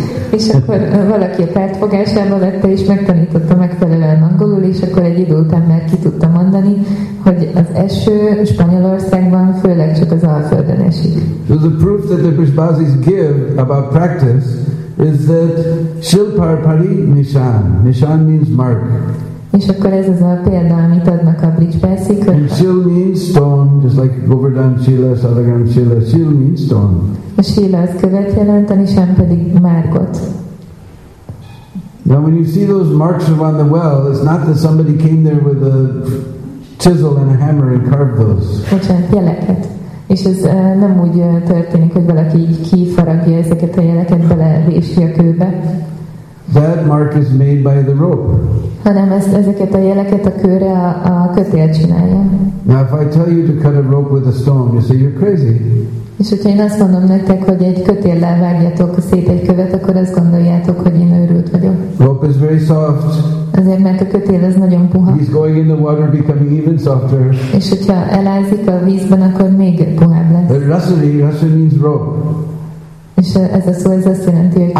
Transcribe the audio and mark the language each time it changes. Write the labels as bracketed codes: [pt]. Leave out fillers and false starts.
[hu] És akkor valaki a pártfogásába vette, és megtanította megfelelően angolul, és akkor egy idő után már ki tudta mondani, hogy az eső Spanyolországban főleg csak az Alföldön esik. [en] So the proof that the Brisbázis give about practice is that [bra] Shilpar Pari Nishan. [en] Nishan means mark. [hu] És akkor ez az a példa, amit adnak a Brisbázik. [en] And Shil means stone, just like Govardhan Shila, Sadagram Shila. Shil means stone. [hu] A Shila az követ jelent, a Nishan pedig márkot. [en] Now when you see those marks around the well, it's not that somebody came there with a chisel and a hammer and carved those. [hu] Bocsánat, jeleket. És ez nem úgy történik, hogy valaki így kifaragja ezeket a jeleket bele vésti a kőbe. [en] That mark is made by the rope. [hu] Hanem ezeket a jeleket a kőre a kötél csinálja. [en] Now if I tell you to cut a rope with a stone, you say you're crazy. [hu] És hogyha én azt mondom nektek, hogy egy kötéllel vágjatok szét egy követ, akkor azt gondoljátok, hogy én őrült vagyok. [en] Rope is very soft. [hu] Azért, mert a kötél az nagyon puha. [en] He's going in the water, becoming even softer. [hu] És hogyha elázik a vízben, akkor még puhább lesz. [en] Rasari means rope. [hu] És ez a szó, ez azt jelenti, hogy